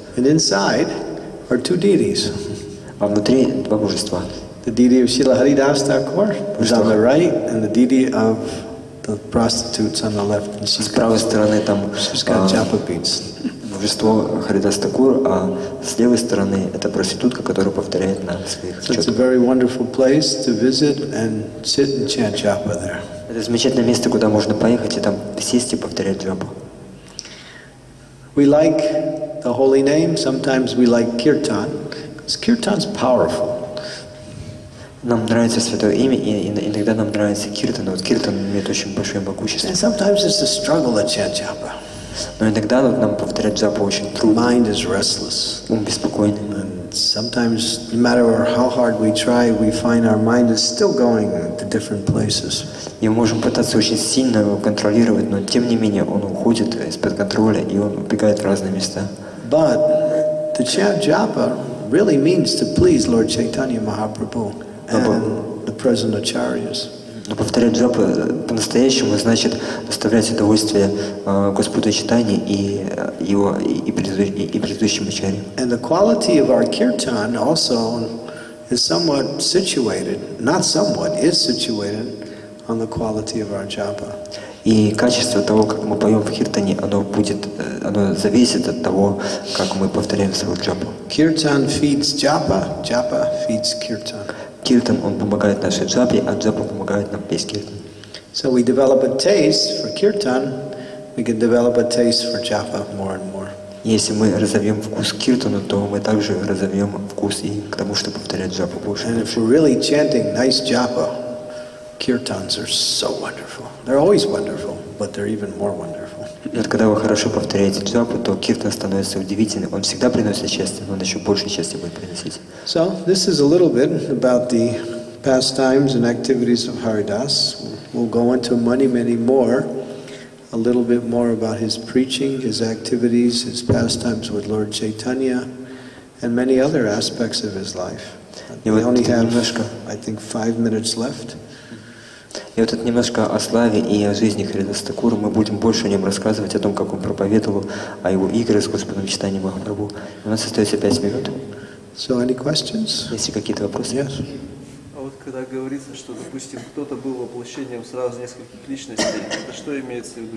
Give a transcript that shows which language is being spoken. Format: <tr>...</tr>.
<en>And inside are two deities.</en> <ru>А внутри два божества.</ru> <en>The deity of Srila Haridas Thakur is on the right, and the deity of the prostitutes on the left.</en> <ru>С правой стороны там</ru> <en>Japa beads.</en> <ru>Божество Харидас Такур, а с левой стороны это проститутка, которая повторяет на своих чётах.</ru> <en>It's a very wonderful place to visit and sit and chant Japa there.</en> <ru>Это замечательное место, куда можно поехать и там сесть и повторять Джапу.</ru> <en>We like the holy name. Sometimes we like kirtan, because kirtan is powerful.</en> <ru>Нам нравится святое имя, и иногда нам нравится киртан. Вот киртан имеет очень большое могущество.</ru> <en>And sometimes it's a struggle to chant japa.</en> <ru>Но иногда вот нам повторять джапу очень трудно.</ru> <en>Mind is restless.</en> <ru>Ум беспокойный.</ru> <en>And sometimes, no matter how hard we try, we find our mind is still going to different places.</en> <ru>И мы можем пытаться очень сильно его контролировать, но тем не менее он уходит из-под контроля и он убегает в разные места.</ru> <en>But to chant japa really means to please Lord Chaitanya Mahaprabhu. And the present acharyas.</en> <ru>Но повторять джапу по-настоящему значит доставлять удовольствие Господу Чайтанье и его и предыдущим ачарьям.</ru> <en>And the quality of our kirtan also is somewhat situated, not somewhat, is situated on the quality of our japa.</en> <ru>И качество того, как мы поем в киртане, оно будет, оно зависит от того, как мы повторяем свою джапу.</ru> <en>Kirtan feeds japa, japa feeds kirtan.</en> <ru>Киртан, он помогает нашей джапе, а джапа помогает нам петь киртан.</ru> <en>So we develop a taste for kirtan, we can develop a taste for japa more and more.</en> <ru>Если мы разовьем вкус киртана, то мы также разовьем вкус и к тому, чтобы повторять джапу больше.</ru> <en>And if we're really chanting nice japa, kirtans are so wonderful. They're always wonderful, but they're even more wonderful.</en> <ru>Вот когда вы хорошо повторяете джапу, то киртан становится удивительным. Он всегда приносит счастье, но он еще больше счастья будет приносить.</ru> <en>So this is a little bit about the pastimes and activities of Haridas. We'll go into many, many more. A little bit more about his preaching, his activities, his pastimes with Lord Chaitanya, and many other aspects of his life. We only have, I think, 5 minutes left.</en> <ru>И вот это немножко о славе и о жизни Харидаса Такура. Мы будем больше о нем рассказывать, о том, как он проповедовал, о его игре с Господом Чайтанья Махапрабху. У нас остается 5 минут.</ru> <en>So any questions?</en> <ru>Есть ли какие-то вопросы?</ru> <en>Yes.</en> <ru>А вот когда говорится, что, допустим, кто-то был воплощением сразу нескольких личностей, это что имеется в виду?</ru>